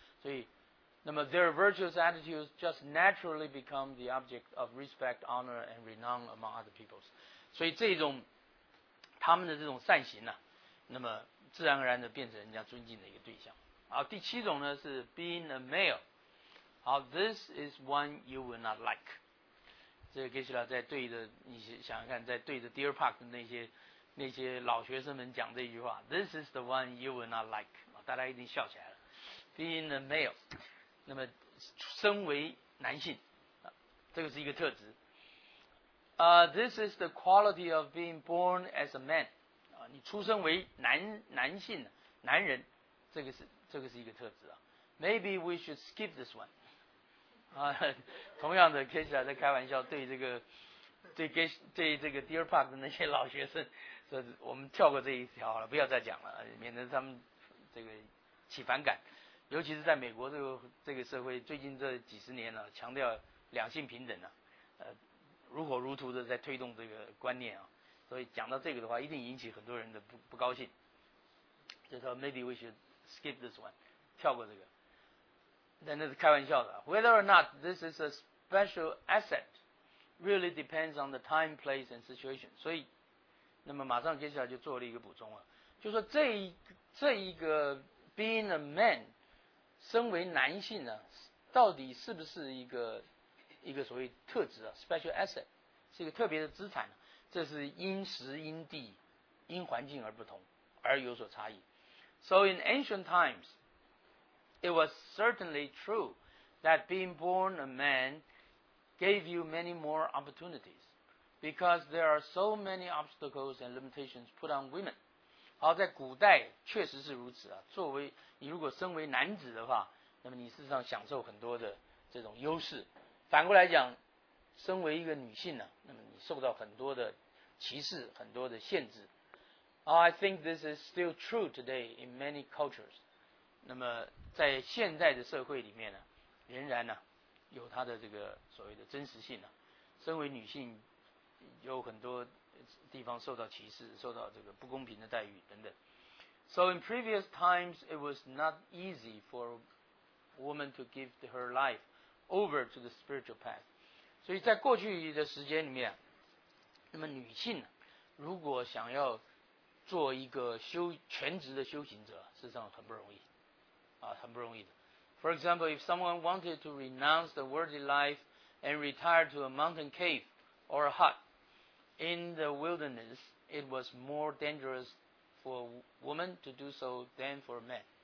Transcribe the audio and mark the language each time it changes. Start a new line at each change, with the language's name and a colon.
Chinese: 所以，那么
English: their virtuous attitudes just naturally become the object of respect, honor, and renown among other peoples。
Chinese: 所以这种他们的这种善行呢、啊，那么自然而然的变成人家尊敬的一个对象。好，第七种呢是
English: being a male。
Chinese: 好 ，
English: this is one you will not like。
Chinese: 这个给起来在对着你想想看，在对着 Deer Park 的那些老学生们讲这句话 ，
English: This is the one you will not like。
Chinese: 大家一定笑起来了。
English: Being a male，
Chinese: 那么身为男性，这个是一个特质。
English: This is the quality of being born as a man。
Chinese: 你出生为男性，男人，这个是一个特质啊。
English: Maybe we should skip this one。
Chinese: 同样的 ，Kesha 在开玩笑，对这个 Deer Park 的那些老学生，说我们跳过这一条好了，不要再讲了，免得他们这个起反感。尤其是在美国这个社会，最近这几十年呢、啊，强调两性平等呢、啊，如火如荼的在推动这个观念啊。所以讲到这个的话，一定引起很多人的不高兴。就说
English: maybe we should skip this one，
Chinese: 跳过这个。但那是开玩笑的。
English: Whether or not this is a special asset really depends on the time, place, and situation。
Chinese: 所以，那么马上接下来就做了一个补充了，就说这一个
English: being a man，
Chinese: 身为男性呢，到底是不是一个所谓特质啊 ？
English: special asset
Chinese: 是一个特别的资产。这是因时因地因环境而不同而有所差异。
English: So in ancient times it was certainly true that being born a man gave you many more opportunities because there are so many obstacles and limitations put on women。
Chinese: 好，在古代确实是如此啊。作为你如果身为男子的话，那么你事实上享受很多的这种优势。反过来讲，身为一个女性呢、啊，那么你受到很多的歧视，很多的限制。
English: I think this is still true today in many cultures。
Chinese: 那么在现在的社会里面呢，仍然呢、啊、有它的这个所谓的真实性呢、啊。身为女性，有很多地方受到歧视，受到这个不公平的待遇等等。
English: So in previous times, it was not easy for a woman to give her life over to the spiritual path。
Chinese: 所以在过去的时间里面，那么女性如果想要做一个全职的修行者，事实上很不容易啊，很不容易的。
English: For example, if someone wanted to renounce the worldly life and retire to a mountain cave or a hut in the wilderness, it was more dangerous for a woman to do so than for a man.